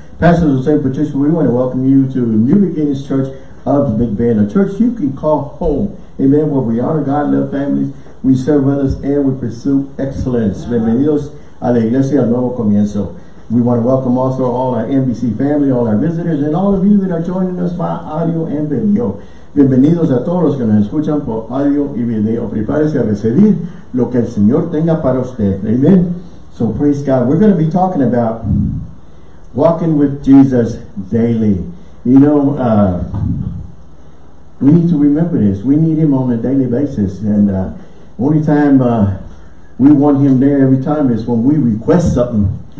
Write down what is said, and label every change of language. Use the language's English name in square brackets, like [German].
[English] Pastor José and Patricia, we want to welcome you to New Beginnings Church of the Big Bend, a church you can call home. Amen. Where we honor God, love families, we serve others, and we pursue excellence. Amen. [Spanish] Bienvenidos a la Iglesia al Nuevo Comienzo. [English] We want to welcome also all our NBC family, all our visitors, and all of you that are joining us by audio and video. [Spanish] Bienvenidos a todos los que nos escuchan por audio y video. Prepárese a recibir lo que el Señor tenga para usted. [English] Amen. So praise God. We're going to be talking about walking with Jesus daily. You know, we need to remember this. We need him on a daily basis. And only time we want him there every time is when we request something.